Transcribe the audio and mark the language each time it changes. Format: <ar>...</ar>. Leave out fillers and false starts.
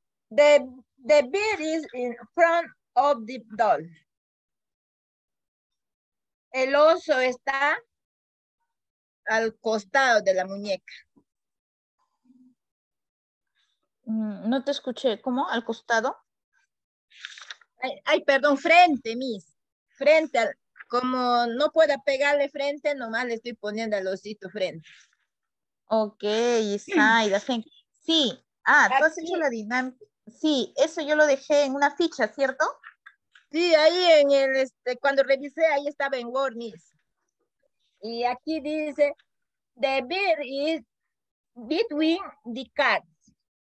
<en>The bear is in front of the doll.</en> <es>El oso está al costado de la muñeca. No te escuché. ¿Cómo? ¿Al costado? Ay, perdón, frente, Miss. Frente al... Como no pueda pegarle frente, nomás le estoy poniendo al osito frente. Ok, Isaida. Sí. Ah, aquí. Tú has hecho la dinámica. Sí, eso yo lo dejé en una ficha, ¿cierto? Sí, ahí en el, cuando revisé, ahí estaba en Word, Miss. Y aquí dice,</es> <en>the bear is between the cards.</en>